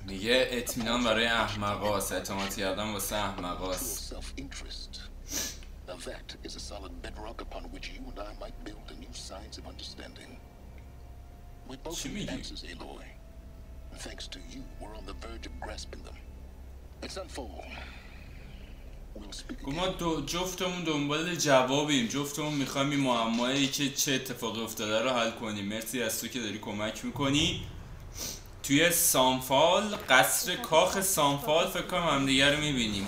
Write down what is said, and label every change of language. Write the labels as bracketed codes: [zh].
[fa] میگه اطمینان برای احمقاست، اعتماد کردن واسه احمقاست. [en] Self-interest. Now that is a solid bedrock upon which you and I might build a new science of understanding. We both need answers, Aloy. Thanks to you, we're on the verge of grasping them. Let's unfold. [fa] ما جفتمون دنبال جوابیم، جفتمون میخوایم این معمایی که چه اتفاقی افتاده رو حل کنیم. مرسی از تو که داری کمک میکنی. توی سانفال، قصر کاخ سانفال فکر کنم همدیگر رو میبینیم.